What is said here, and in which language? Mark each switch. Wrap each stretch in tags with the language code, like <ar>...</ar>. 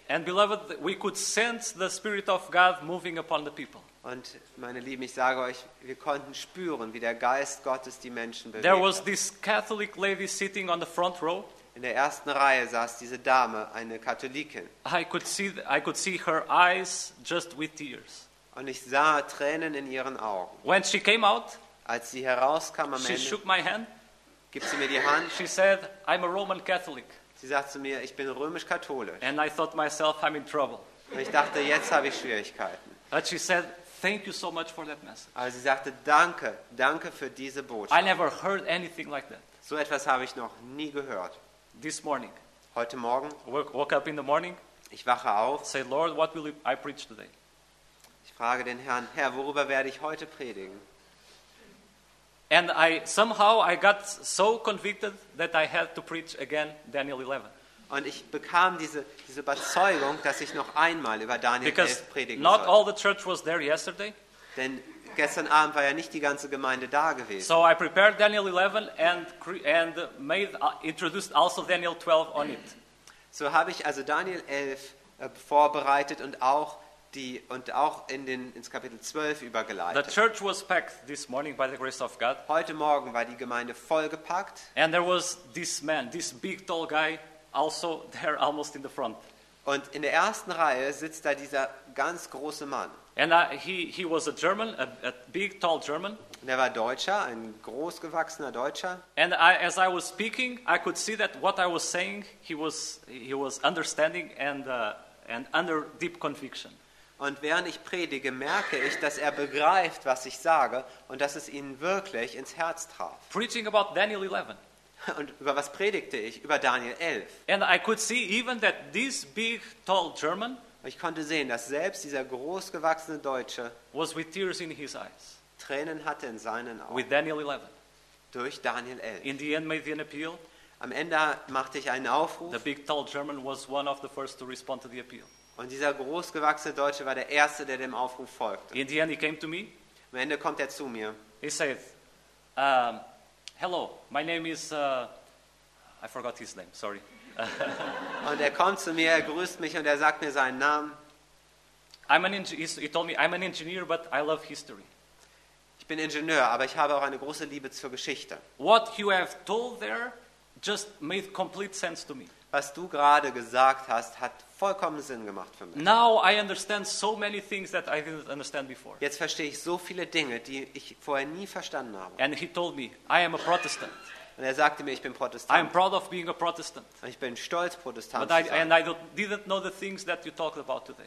<en>And beloved, we could sense the Spirit of God moving upon the people.</en> <de>Und meine Lieben, ich sage euch, wir konnten spüren, wie der Geist Gottes die Menschen bewegt.</de> <en>There was this Catholic lady sitting on the front row.</en> <de>In der ersten Reihe saß diese Dame, eine Katholikin.</de> <en>I could see her eyes just with tears.</en> <de>Und ich sah Tränen in ihren Augen.</de> <en>When she came out,</en> <de>als sie herauskam am</de> <en>she</en> <de>Ende,</de> <en>shook my hand.</en> <de>Gibt sie mir die Hand.</de> <en>She said, I'm a Roman Catholic.</en> <de>Sie sagt zu mir, ich bin römisch-katholisch.</de> <en>And I thought myself, I'm in trouble.</en> <de>Und ich dachte, jetzt habe ich Schwierigkeiten.</de> <en>But she said, thank you so much for that message.</en> <de>Aber sie sagte, danke für diese Botschaft.</de> <en>I never heard anything like that.</en> <de>So etwas habe ich noch nie gehört.</de> <en>This morning.</en> <de>Heute Morgen.</de> <en>Woke up in the morning.</en> <de>Ich wache auf.</de> <en>Say, Lord, what will I preach today?</en> <de>Ich frage den Herrn, Herr, worüber werde ich heute predigen?</de> <en>And I got so convicted that I had to preach again Daniel 11.</en> <de>Und ich bekam diese Überzeugung, dass ich noch einmal über Daniel 11 predigen sollte.</de> <en>Because not all the church was there yesterday.</en> <de>Denn gestern Abend war ja nicht die ganze Gemeinde da gewesen.</de> <en>So I prepared Daniel 11 and made introduced also Daniel 12 on it.</en> <de>So habe ich also Daniel 11 vorbereitet und auch ins Kapitel 12 übergeleitet.</de> <en>The church was packed this morning by the grace of God.</en> <de>Heute Morgen war die Gemeinde vollgepackt.</de> <en>And there was this man, this big tall guy, also there almost in the front.</en> <de>Und in der ersten Reihe sitzt da dieser ganz große Mann.</de> <en>And he was a German, a big tall German.</en> <de>Er war Deutscher, ein großgewachsener Deutscher.</de> <en>And as I was speaking, I could see that what I was saying, he was understanding and under deep conviction.</en> <de>Und während ich predige, merke ich, dass er begreift, was ich sage und dass es ihn wirklich ins Herz traf.</de> <en>Preaching about Daniel 11.</en> <de>Und über was predigte ich? Über Daniel 11.</de> <en>And I could see even that this big, tall German,</en> <de>ich konnte sehen, dass selbst dieser großgewachsene Deutsche</de> <en>was with tears in his eyes,</en> <de>Tränen hatte in seinen Augen.</de> <en>With Daniel 11.</en> <de>Durch Daniel 11.</de> <en>In the end made an appeal.</en> <de>Am Ende machte ich einen Aufruf.</de> <en>The big, tall German was one of the first to respond to the appeal.</en> <de>Und dieser großgewachsene Deutsche war der Erste, der dem Aufruf folgte.</de> <en>In the end he came to me.</en> <de>Am Ende kommt er zu mir.</de> <en>He said, hello, my name is, I forgot his name, sorry.</en> <de>Und er kommt zu mir, er grüßt mich und er sagt mir seinen Namen.</de> <en>He told me, I'm an engineer, but I love history.</en> <de>Ich bin Ingenieur, aber ich habe auch eine große Liebe zur Geschichte.</de> <en>What you have told there just made complete sense to me.</en> <de>Was du gerade gesagt hast, hat vollkommen Sinn gemacht für mich.</de> <en>Now I understand so many things that I didn't understand before.</en> <de>Jetzt verstehe ich so viele Dinge, die ich vorher nie verstanden habe.</de> <en>And he told me, I am a Protestant.</en> <de>Und er sagte mir, ich bin Protestant.</de> <en>I am proud of being a Protestant.</en> <de>Und ich bin stolz, Protestant zu sein.</de> <en>And I didn't know the things that you talked about today.</en>